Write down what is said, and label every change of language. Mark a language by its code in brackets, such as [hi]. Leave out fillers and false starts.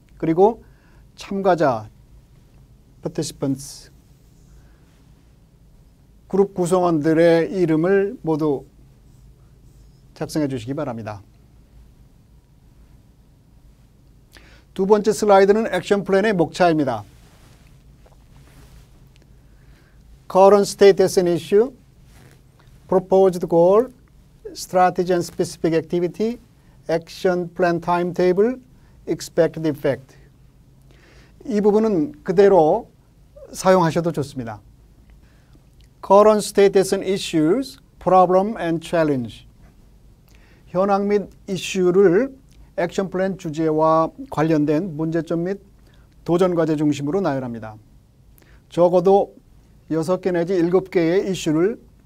[ko] 그리고 참가자, participants, 그룹 구성원들의 이름을 모두 작성해 주시기 바랍니다. 두 번째 슬라이드는 액션 플랜의 목차입니다. [en] Current status and issue, proposed goal, strategy and specific activity, action plan timetable, expected effect. [ko] 이 부분은 그대로 사용하셔도 좋습니다. [en] Current status and issues, problem and challenge. [ko] 현황 및 이슈를 action plan 주제와 관련된 문제점 및 도전 과제 중심으로 나열합니다. 적어도 6개 내지 7개의 이슈를